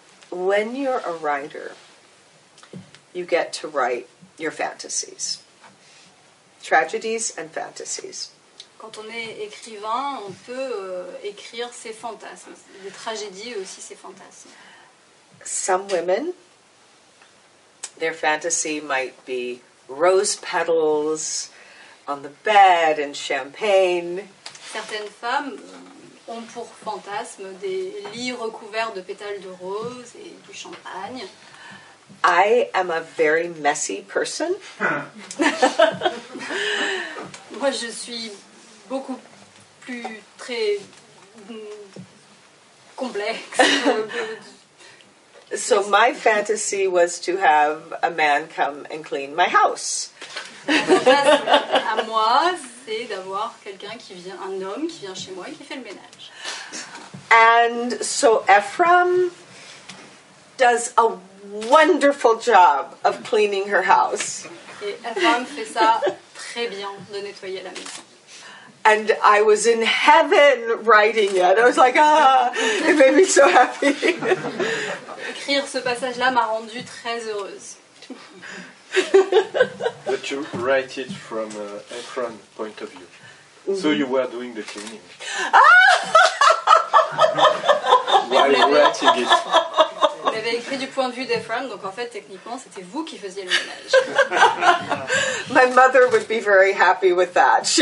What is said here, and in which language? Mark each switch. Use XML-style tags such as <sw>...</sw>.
<en>When you're a writer, you get to write your fantasies, tragedies and fantasies.</en> <fr>Quand on est écrivain, on peut écrire ses fantasmes, des tragédies aussi ses fantasmes.</fr> <en>Some women, their fantasy might be rose petals on the bed and champagne.</en> <fr>Certaines femmes ont pour fantasme des lits recouverts de pétales de rose et du champagne.</fr> <en>I am a very messy person.</en> <fr>Moi, je suis beaucoup plus très complexe.</fr> <en>So my fantasy was to have a man come and clean my house.</en> <fr>À moi, c'est d'avoir quelqu'un qui vient, un homme qui vient chez moi et qui fait le ménage.</fr> <en>And so Ephraim does a wonderful job of cleaning her house.</en> <fr>Et Ephraim fait ça très bien de nettoyer la maison.</fr> <en>And I was in heaven writing it. I was like, ah, it made me so happy.</en> <fr>Écrire ce passage-là m'a rendue très heureuse.</fr> <en>But you write it from Ephraim's point of view. Mm-hmm. So you were doing the cleaning. While writing it.</en> <fr>On avait écrit du point de vue d'Ephraim, donc en fait, techniquement, c'était vous qui faisiez le ménage.</fr> <en>My mother would be very happy with that.</en>